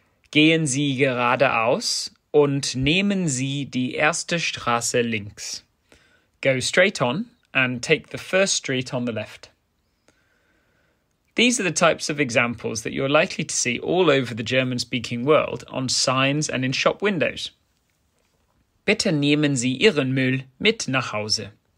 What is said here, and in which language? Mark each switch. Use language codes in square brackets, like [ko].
[de] Gehen Sie geradeaus und nehmen Sie die erste Straße links. [en] Go straight on and take the first street on the left. These are the types of examples that you're likely to see all over the German-speaking world on signs and in shop windows. [de] Bitte nehmen Sie Ihren Müll mit nach Hause.